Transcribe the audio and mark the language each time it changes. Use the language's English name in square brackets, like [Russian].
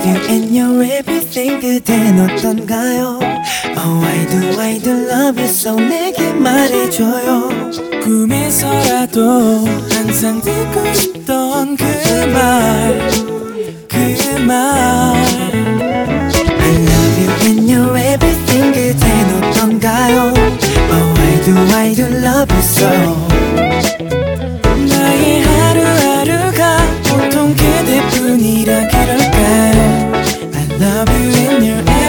[English] And your everything [Korean] 그댄 어떤가요? [English] Oh, why do love you so? [Korean] 내게 말해줘요. 꿈에서라도 항상 듣고 싶던 그 말, 그 말. [English] I love you and your everything [Korean] 그댄 어떤가요? [English] Oh, why do love you so? [Korean] 나의 하루하루가 보통 그대뿐이라 그럴까요? [English] Love you in your eyes.